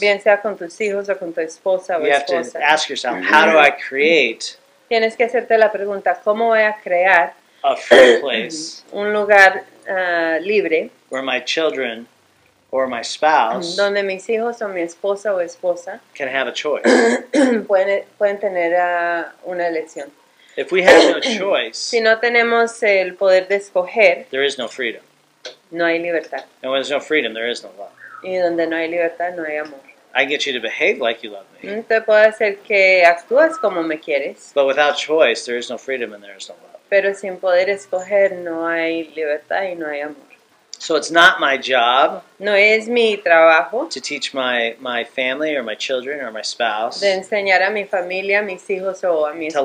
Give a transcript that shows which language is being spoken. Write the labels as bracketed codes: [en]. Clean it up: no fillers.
[es] bien sea con tus hijos o con tu esposa o [en] esposa, you have to ask yourself, how do I create? [es] Tienes que hacerte la pregunta, ¿cómo voy a crear [en] a free place, [es] un lugar libre, [en] where my children or my spouse, [es] donde mis hijos o mi esposa o esposa, [en] can have a choice, [es] pueden tener una elección? [en] If we have no choice, [es] si no tenemos el poder de escoger, [en] there is no freedom. [es] No hay libertad. [en] And when there's no freedom, there is no love. [es] Y donde no hay libertad, no hay amor. [en] I get you to behave like you love me. [es] Te puedo hacer que actúes como me quieres. [en] But without choice, there is no freedom and there is no love. [es] Pero sin poder escoger, no hay libertad y no hay amor. [en] So it's not my job. [es] No es mi trabajo. [en] To teach my family or my children or my spouse. [es] De enseñar a mi familia, mis hijos o a mi esposo.